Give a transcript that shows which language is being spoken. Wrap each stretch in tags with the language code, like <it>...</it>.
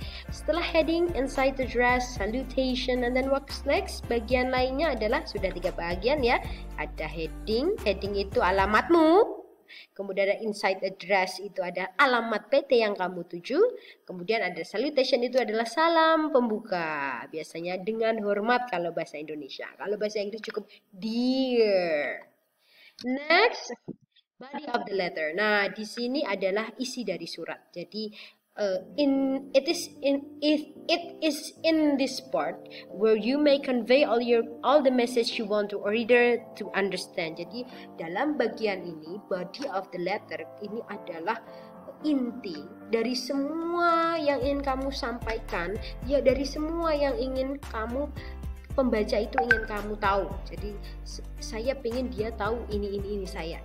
<en>Setelah heading, inside address, salutation, and then what's next?</en> <id>Bagian lainnya adalah sudah 3 bagian ya. Ada heading. Heading itu alamatmu. Kemudian ada inside address, itu ada alamat PT yang kamu tuju. Kemudian ada salutation, itu adalah salam pembuka, biasanya dengan hormat kalau bahasa Indonesia. Kalau bahasa Inggris cukup dear.</id> <en>Next, body of the letter.</en> <id>Nah, di sini adalah isi dari surat.</id> <en>Jadi it is in this part where you may convey all the message you want to reader to understand.</en> <id>Jadi dalam bagian ini, body of the letter, ini adalah inti dari semua yang ingin kamu sampaikan, ya, dari semua yang ingin kamu, pembaca itu ingin kamu tahu. Jadi saya pengen dia tahu ini saya.</id>